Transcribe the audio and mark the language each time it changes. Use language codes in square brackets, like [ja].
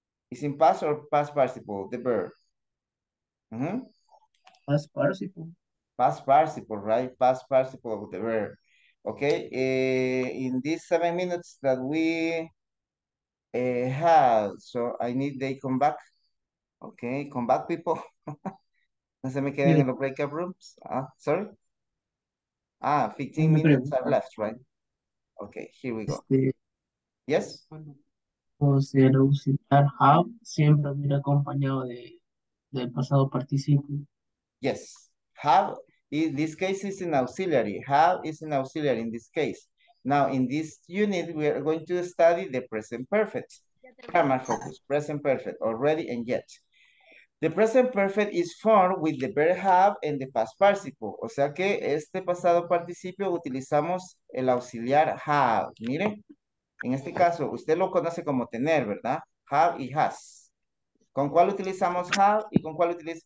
[en] Is in past or past participle, the verb? Mm-hmm. Past participle. Past participle, right? Past participle of the verb. Okay, in these 7 minutes that we have, so I need they come back. Okay, come back, people. [es] No se me queden en los breakout rooms. [en] Ah, sorry. Ah, 15 minutes are left, right? Okay, here we go. Yes? [es] Considerar have siempre viene acompañado del pasado participio. [en] Yes. Have, in this case, is an auxiliary. Have is an auxiliary in this case. Now, in this unit, we are going to study the present perfect. Grammar focus, present perfect, already and yet. The present perfect is formed with the verb have and the past participle. [es] O sea que este pasado participio utilizamos el auxiliar have. Mire, en este caso, usted lo conoce como tener, ¿verdad? Have y has. ¿Con cuál utilizamos have y con cuál utiliza?